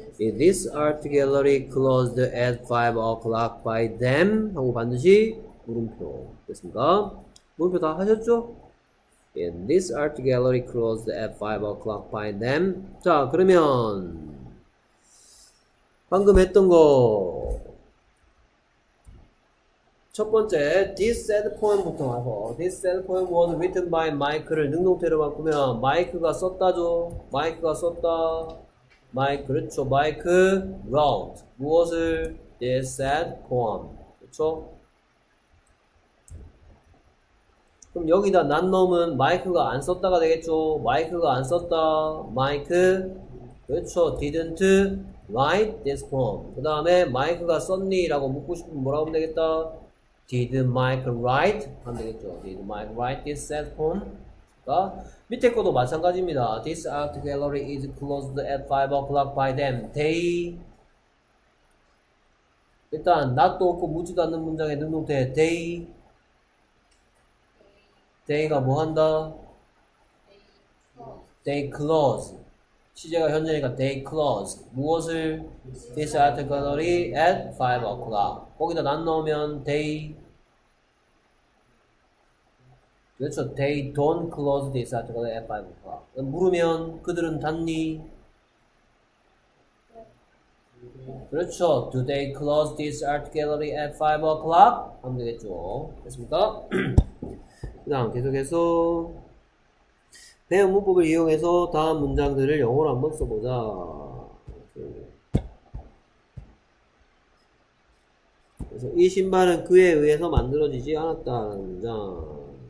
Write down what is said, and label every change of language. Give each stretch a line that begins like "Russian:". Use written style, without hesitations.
English: is this art gallery closed at 5 o'clock by them?
Korean: 하고 반드시 물음표 됐습니까? 물음표 다 하셨죠?
English: In this art gallery closed at 5 o'clock by them.
Korean: 자, 그러면 방금 했던 거첫 번째
English: this sad poem부터 와서 this sad poem was written by Mike
Korean: 를 능동태로 바꾸면 마이크가 썼다죠. 마이크가 썼다. 마이크 그렇죠. 마이크 wrote 무엇을?
English: this sad poem
Korean: 그렇죠? 그럼 여기다 not 넣으면 마이크가 안 썼다가 되겠죠. 마이크가 안 썼다. 마이크 그렇죠.
English: didn't write this poem.
Korean: 그 다음에 마이크가 썼니라고 묻고 싶으면 뭐라고 하면 되겠다.
English: did Mike write
Korean: 하면 되겠죠.
English: did Mike write this sad poem?
Korean: 그러니까 밑에 것도 마찬가지입니다.
English: this art gallery is closed at 5 o'clock by them. they
Korean: 일단 not도 없고 묻지도 않는 문장에 능동태 they. they가 뭐 한다?
English: they close.
Korean: 시제가 현재니까
English: they close.
Korean: 무엇을?
English: this article이 at 5 o'clock.
Korean: 거기다 not 넣으면
English: they.
Korean: 그렇죠.
English: They don't close this article at 5 o'clock.
Korean: 물으면 그들은 닫니? 그렇죠.
English: Do they close this art gallery at 5 o'clock?
Korean: 하면 되겠죠. 됐습니까? 그 다음 계속해서 배운 문법을 이용해서 다음 문장들을 영어로 한번 써보자. 그래서 이 신발은 그에 의해서 만들어지지 않았다는 문장.